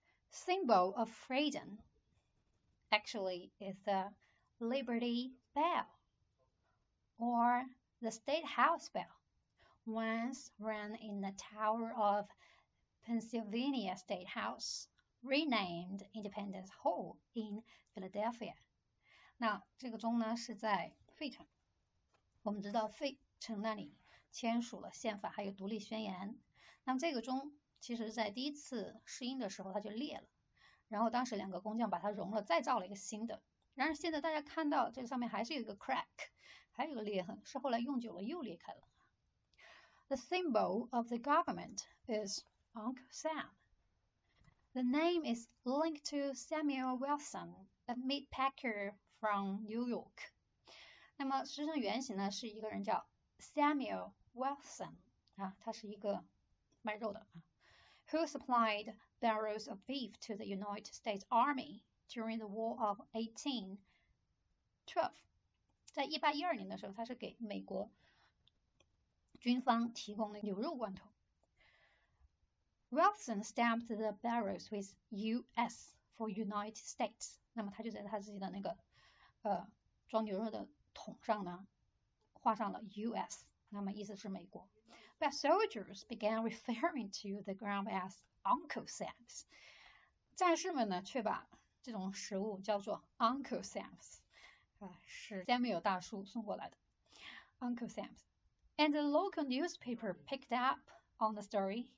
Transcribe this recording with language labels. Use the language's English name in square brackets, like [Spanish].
[English] symbol of freedom actually is the Liberty Bell or the State House Bell, once rang in the Tower of Pennsylvania State House, renamed Independence Hall in Philadelphia. [Chinese] 那这个钟呢是在费城，我们知道费城那里签署了宪法还有独立宣言。那么这个钟其实在第一次试音的时候它就裂了，然后当时两个工匠把它熔了再造了一个新的，然而现在大家看到这上面还是有一个 crack， 还有个裂痕，是后来用久了又裂开了。 [English] The symbol of the government is Uncle Sam. The name is linked to Samuel Wilson, a meat packer from New York. [Chinese] 那么实际上原型呢是一个人叫 Samuel Wilson 啊，他是一个卖肉的啊， [English] who supplied barrels of beef to the United States Army during the War of 1812. [Chinese] 在1812年的时候，他是给美国军方提供了牛肉罐头。 [English] Wilson stamped the barrels with U.S. for United States. [Chinese] 那么他就在他自己的那个装牛肉的桶上呢，画上了 U.S. 那么意思是美国。 [English] But soldiers began referring to the ground as Uncle Sam's. [Chinese] 战士们呢，却把这种食物叫做 Uncle Sam's， 是 Samuel 大叔送过来的 Uncle Sam's. [English] And the local newspaper picked up on the story.